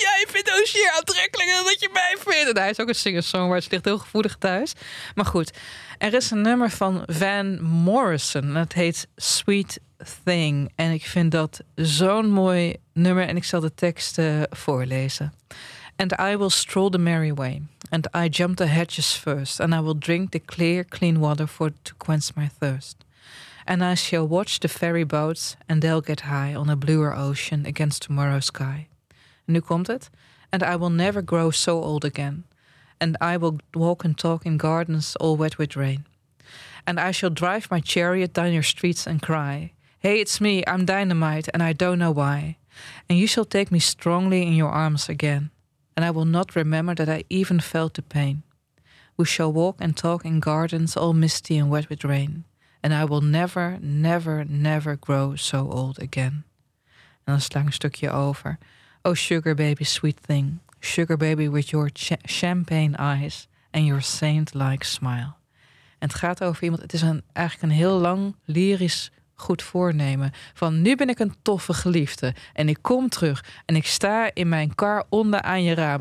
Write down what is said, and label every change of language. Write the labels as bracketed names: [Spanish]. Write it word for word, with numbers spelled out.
[Dutch] Jij vindt Hozier aantrekkelijker dan dat je mij vindt. En hij is ook een singer-songwriter. Het ligt heel gevoelig thuis. Maar goed, er is een nummer van Van Morrison. Dat heet Sweet Thing. En ik vind dat zo'n mooi nummer. En ik zal de tekst uh, voorlezen. [English] And I will stroll the merry way. And I jump the hedges first. And I will drink the clear, clean water for to quench my thirst. And I shall watch the ferry boats. And they'll get high on a bluer ocean against tomorrow's sky. [Dutch] En nu komt het. [English] And I will never grow so old again. And I will walk and talk in gardens all wet with rain. And I shall drive my chariot down your streets and cry, hey, it's me, I'm dynamite, and I don't know why. And you shall take me strongly in your arms again. And I will not remember that I even felt the pain. We shall walk and talk in gardens all misty and wet with rain. And I will never, never, never grow so old again. [Dutch] En dan sla ik een stukje over. [English] Oh, sugar baby, sweet thing. Sugar baby with your ch- champagne eyes and your saint-like smile. [Dutch] En het gaat over iemand... Het is een, eigenlijk een heel lang, lyrisch goed voornemen. Van nu ben ik een toffe geliefde. En ik kom terug. En ik sta in mijn kar onder aan je raam.